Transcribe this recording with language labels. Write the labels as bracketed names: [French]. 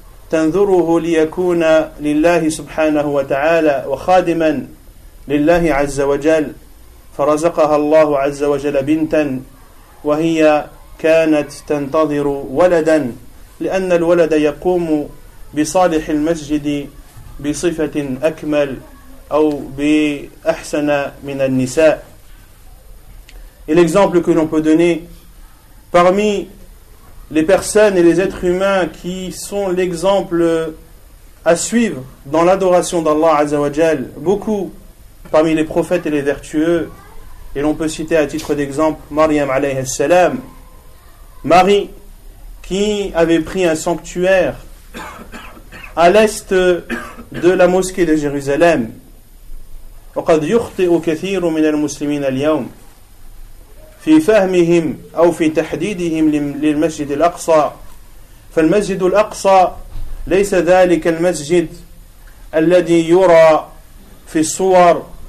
[Arabic] تنذره ليكون لله سبحانه وتعالى وخادما لله عز وجل، فرزقها الله عز وجل بنتا، وهي كانت تنتظر ولدا، لأن الولد يقوم بصالح المسجد بصفة أكمل أو بأحسن من النساء. [French] الإكزامبل que l'on peut donner parmi les personnes et les êtres humains qui sont l'exemple à suivre dans l'adoration d'Allah Azza wa Jal, beaucoup parmi les prophètes et les vertueux, et l'on peut citer à titre d'exemple Maryam alayhi salam, Marie qui avait pris un sanctuaire à l'est de la mosquée de Jérusalem. [Arabic] وقد يخطئ كثير من المسلمين اليوم في فهمهم أو في تحديدهم للمسجد الأقصى، فالمسجد الأقصى ليس ذلك المسجد الذي يرى في الصور